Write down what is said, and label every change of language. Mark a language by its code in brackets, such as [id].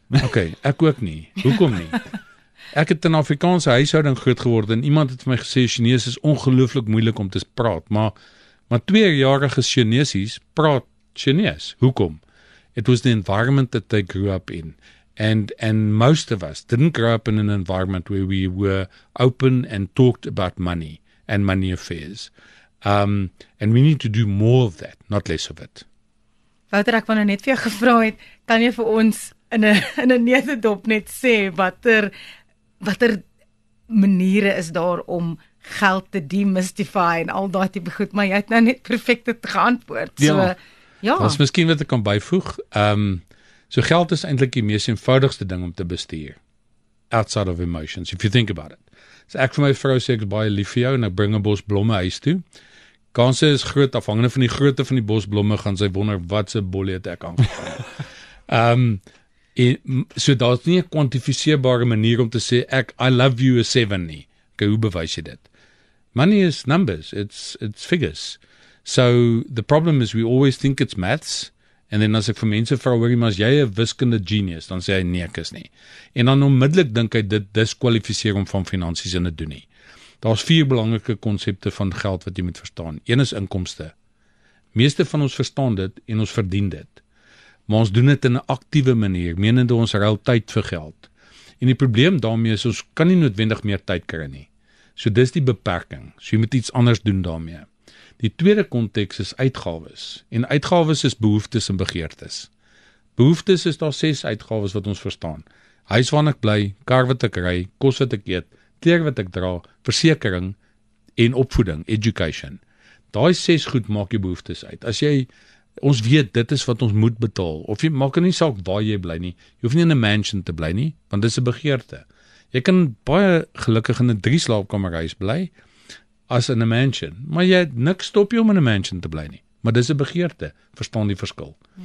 [af] Okay, ek ook nie. Hoekom nie? Ek het in Afrikaanse huishouding groot geworden en iemand het vir my gesê, Chinees is ongelooflik moeilik om te praat, maar tweejarige Chineesies praat Chinees. Hoekom? [en] It was the environment that they grew up in. And most of us didn't grow up in an environment where we were open and talked about money and money affairs. And we need to do more of that, not less of it. [af] Wouter, ek wou nou net vir jou gevra het, kan jy vir ons in 'n nederdop net sê watter maniere is daar om geld te demystify en al daai tipe goed, maar jy het nou net perfekte geantwoord. So, ja. Was miskien wat ek kan byvoeg. So geld is eintlik die mees eenvoudigste ding om te bestuur. [en] Outside of emotions, if you think about it. [af] So ek vir my vrou sê ek is baie lief vir jou en ek bring 'n bos blomme huis toe. Kanse is groot, afhangende van die grootte van die bosblomme, gaan sy wonder wat se bolle het ek aangevang. So daar is nie 'n kwantifiseerbare manier om te sê, ek, [en] I love you a 7 [af] nie. Okay, hoe bewys jy dit? [en] Money is numbers, it's figures. So the problem is we always think it's maths, [af] en dan as ek vir mense vra, hoor jy, maar as jy 'n wiskunde genius, dan sê hy nee, ek is nie. En dan onmiddellik dink hy dit diskwalifiseer om van finansies in te doen nie. Daar is vier belangrike konsepte van geld wat jy moet verstaan. Een is inkomste. Meeste van ons verstaan dit en ons verdien dit. Maar ons doen dit in 'n aktiewe manier, menende ons ruil tyd vir geld. En die probleem daarmee is, ons kan nie noodwendig meer tyd kry nie. So dis die beperking. So jy moet iets anders doen daarmee. Die tweede konteks is uitgawes. En uitgawes is behoeftes en begeertes. Behoeftes is daar 6 uitgawes wat ons verstaan. Huis waar ek bly, kar wat ek ry, kos wat ek eet, kleer wat ek dra, versekering en opvoeding, education. Daai 6 goed maak jou behoeftes uit. As jy, ons weet, dit is wat ons moet betaal, of jy maak nie saak waar jy bly nie, jy hoef nie in 'n mansion te bly nie, want dit is 'n begeerte. Jy kan baie gelukkig in 'n 3 slaapkamer huis bly, as in 'n mansion, maar jy het niks stop jy om in 'n mansion te bly nie, maar dit is 'n begeerte, verstaan die verskil.